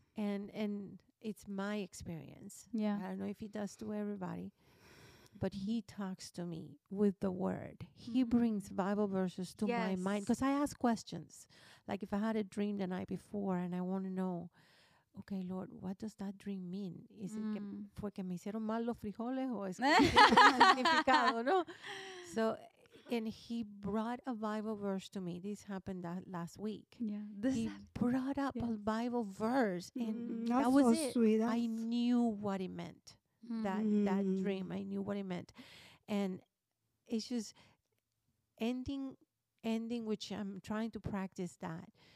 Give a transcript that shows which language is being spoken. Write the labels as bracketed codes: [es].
[en] And it's my experience. Yeah. I don't know if He does to everybody, but He talks to me with the Word. Mm-hmm. He brings Bible verses to my mind because I ask questions. Like if I had a dream the night before and I want to know, okay, Lord, what does that dream mean? Is it [es] fue que me hicieron mal los frijoles o es que significado, no? [en] So And he brought a Bible verse to me. This happened last week. Yeah. This he brought up yes. a Bible verse. And that was so it. Sweet. That's I knew what it meant. Mm. That dream. I knew what it meant. And it's just ending, which I'm trying to practice that.